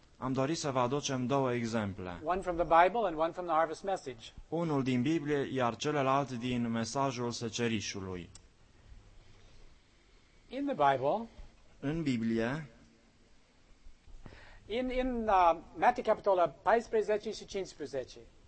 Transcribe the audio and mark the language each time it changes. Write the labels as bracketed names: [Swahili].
[Romanian] Am dorit să vă aducem două exemple. [English] One from the Bible and one from the harvest message. [Romanian] Unul din Biblie, iar celălalt din mesajul secerișului. [English] In the Bible. [Romanian] În Biblie. In Matei capitolul 14 și 15.